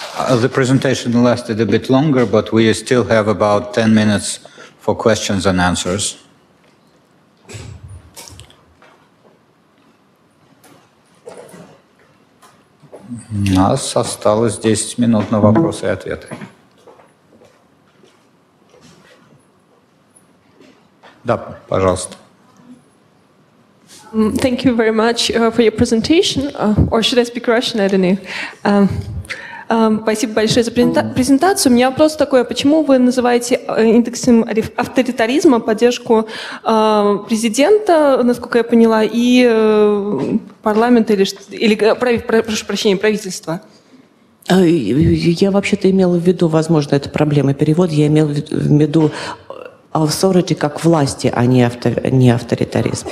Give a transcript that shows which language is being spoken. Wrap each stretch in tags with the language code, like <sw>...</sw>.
<en>The presentation lasted a bit longer, but we still have about 10 minutes for questions and answers.</en> <ru>У нас осталось 10 минут на вопросы и ответы. Да, пожалуйста.</ru> <en>Thank you very much for your presentation. Or should I speak Russian? I don't know.</en> <ru>Спасибо большое за презентацию. У меня вопрос такой, почему вы называете индексом авторитаризма поддержку президента, насколько я поняла, и парламента, или правительства? Я вообще-то имела в виду, возможно, это проблема перевода, я имела в виду authority как власти, а не авторитаризм.</ru>